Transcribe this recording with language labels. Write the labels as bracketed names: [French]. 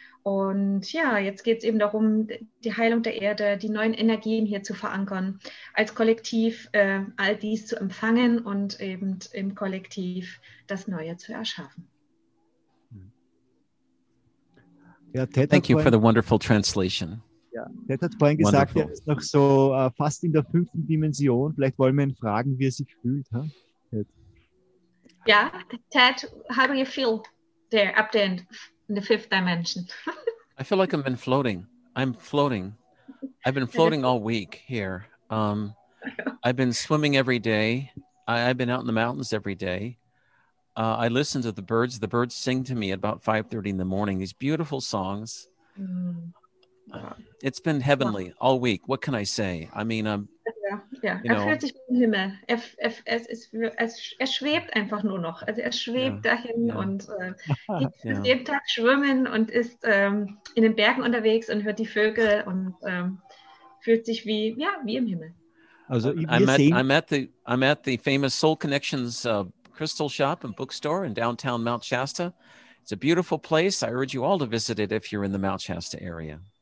[German] Und ja, jetzt geht es eben darum, die Heilung der Erde, die neuen Energien hier zu verankern, als Kollektiv all dies zu empfangen und eben im Kollektiv das Neue zu erschaffen. [English] Ja, Ted, thank you for the wonderful translation. [German] Ted hat vorhin gesagt, er ist noch so fast in der fünften Dimension. Vielleicht wollen wir ihn fragen, wie er sich fühlt. Huh? Ted. [English] Ja, Ted, how do you feel there up there in the fifth dimension? I feel like I've been floating. I'm floating. I've been floating all week here. I've been swimming every day. I've been out in the mountains every day. I listen to the birds. The birds sing to me at about 5:30 in the morning, these beautiful songs. It's been heavenly all week. What can I say? I mean, [German] fühlt sich im Himmel. Er schwebt einfach nur noch. Also er schwebt dahin und geht jeden Tag schwimmen und ist in den Bergen unterwegs und hört die Vögel und fühlt sich wie im Himmel. [English] Also I'm at the famous Soul Connections crystal shop and bookstore in downtown Mount Shasta. It's a beautiful place. I urge you all to visit it if you're in the Mount Shasta area.